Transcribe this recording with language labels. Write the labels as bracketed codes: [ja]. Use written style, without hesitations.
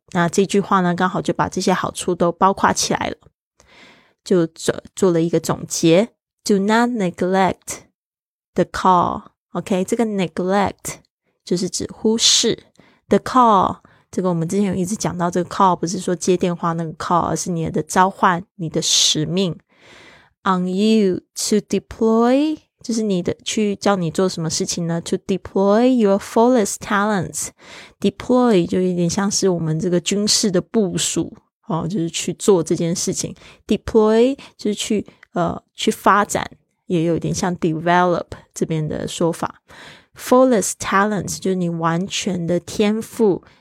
[zh] 那这句话呢刚好就把这些好处都包括起来了，就做了一个总结。 [en] Do not neglect the call, OK, [zh] 这个 neglect 就是指忽视 the call, 这个我们之前有一直讲到，这个 call 不是说接电话那个 call, 而是你的召唤，你的使命。 [en] On you to deploy, [zh] 就是你的去叫你做什么事情呢 ? [en] To deploy your fullest talents. [zh] Deploy 就有点像是我们这个军事的部署、哦、就是去做这件事情。 Deploy 就是去发展，也有点像 develop 这边的说法。 Fullest talents 就是你完全的天赋。